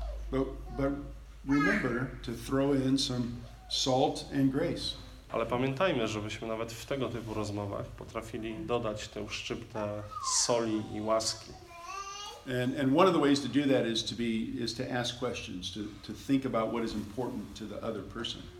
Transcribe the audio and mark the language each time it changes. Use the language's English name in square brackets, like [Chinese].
[English] But remember to throw in some salt and grace. [Polish] Ale pamiętajmy, żebyśmy nawet w tego typu rozmowach potrafili dodać tę szczyptę soli i łaski. [English] And one of the ways to do that is to ask questions, to think about what is important to the other person.